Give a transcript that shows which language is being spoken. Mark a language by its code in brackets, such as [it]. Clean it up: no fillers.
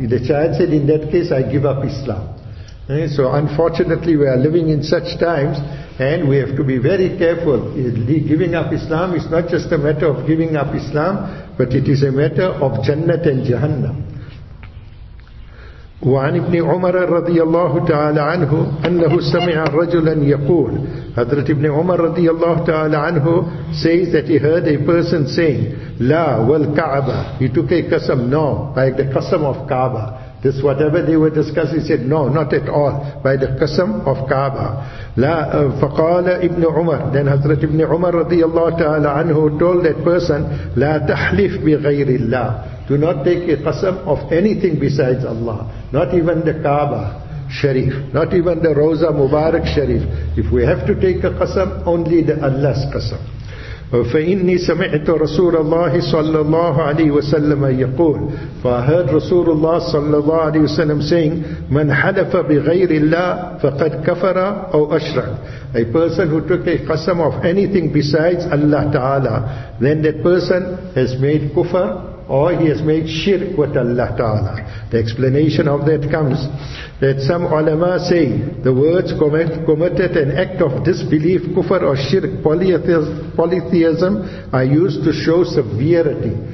[en] The child said, in that case, I give up Islam. Okay, so unfortunately, we are living in such times, and we have to be very careful. Giving up Islam is not just a matter of giving up Islam, but it is a matter of Jannat and Jahannam. [ar] وعن ابن عمر رضي الله تعالى عنه أنه سمع رجلا يقول. حضرت ابن عمر رضي الله تعالى عنه [en] says that he heard a person saying [ar] لا والكعبة. [en] He took a قسم, no, by the قسم of كعبة. This whatever they were discussing, he said no, not at all, by the قسم of كعبة. [ar] لا فقال ابن عمر. Then حضرت ابن عمر رضي الله تعالى عنه [en] told that person [ar] لا تحلف بغير الله. [en] Do not take a qasam of anything besides Allah. Not even the Kaaba Sharif. Not even the Rauza Mubarak Sharif. If we have to take a qasam, only the Allah's qasam. [ar] فَإِنِّي سَمِعْتُ رَسُولَ اللَّهِ صَلَّى اللَّهُ عَلَيْهِ وَسَلَّمَ يَقُولُ. [en] For I heard Rasulullah [ar] صَلَّى اللَّهُ عَلَيْهِ وَسَلَّمْ saying, مَنْ حَلَفَ بِغَيْرِ اللَّهِ فَقَدْ كَفَرَ أَوْ أَشْرَكَ. [en] A person who took a qasam of anything besides Allah Ta'ala, then that person has made kufr, or he has made shirk with Allah Ta'ala. The explanation of that comes that some ulama say the words committed an act of disbelief, kufr or shirk, polytheism, are used to show severity.